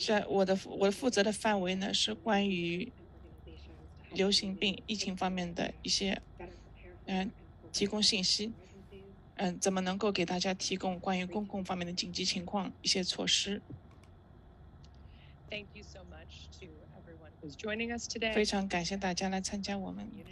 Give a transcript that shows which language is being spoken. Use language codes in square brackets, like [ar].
[zh] 我的负责的范围呢是关于流行病疫情方面的一些提供信息，怎么能够给大家提供关于公共方面的紧急情况一些措施。 [en] Thank you so much to everyone who's joining us today. [zh] 非常感谢大家来参加我们。